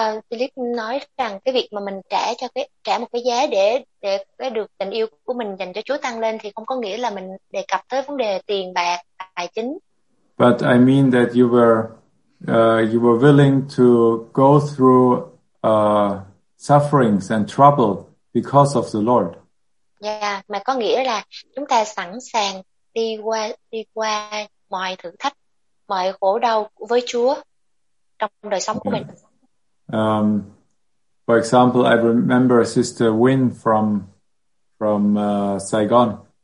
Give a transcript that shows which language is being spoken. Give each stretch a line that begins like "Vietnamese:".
Vietnamese: Philip nói rằng cái việc mà mình trả một cái giá để được tình yêu của mình dành cho Chúa tăng lên thì không có nghĩa là mình đề cập tới vấn đề tiền bạc tài chính.
English: But I mean that you were willing to go through sufferings and trouble because of the Lord.
Vietnamese: Yeah, mà có nghĩa là chúng ta sẵn sàng đi qua mọi thử thách, mọi khổ đau với Chúa trong đời sống của mình.
English: For example, I remember Sister Win from Saigon.